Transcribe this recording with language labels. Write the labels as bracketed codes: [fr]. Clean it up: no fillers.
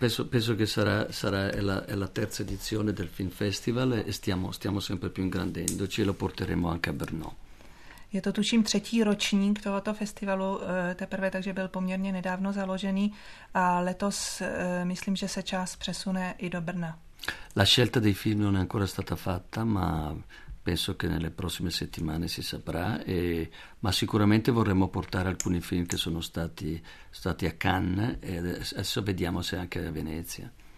[it] Penso che sarà la terza edizione del film festival e stiamo sempre più ingrandendo, ce lo porteremo anche a Brno. [cs] Je to tuším 3. ročník tohoto festivalu teprve, takže byl poměrně nedávno založený a letos myslím, že se čas přesune i do Brna. [it] La scelta dei film non è ancora stata fatta, ma penso che nelle prossime settimane si saprà, ma sicuramente vorremmo portare alcuni film che sono stati a Cannes e adesso vediamo se anche a Venezia.